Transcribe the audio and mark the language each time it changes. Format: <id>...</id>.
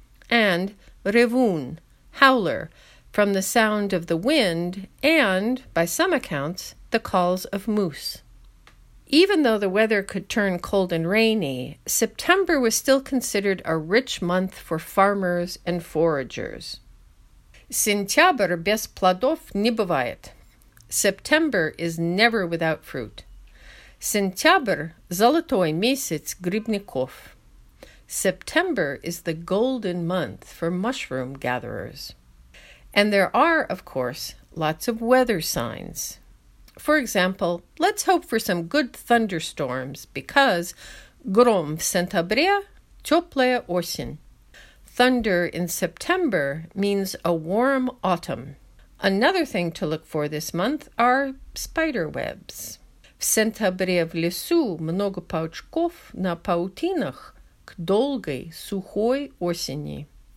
<en>And Ревун, howler, from the sound of the wind and, by some accounts, the calls of moose. Even though the weather could turn cold and rainy, September was still considered a rich month for farmers and foragers.</en> <ru>Сентябрь без плодов не бывает.</ru> <en>September is never without fruit.</en> <ru>Сентябрь – золотой месяц грибников.</ru> <en>September is the golden month for mushroom gatherers. And there are, of course, lots of weather signs. For example, let's hope for some good thunderstorms because</en> <ru>гром в сентябре – теплая осень.</ru> <en>Thunder in September means a warm autumn. Another thing to look for this month are spider webs.</en> <ru>В сентябре в лесу много паучков на паутинах к долгой сухой осени.</ru>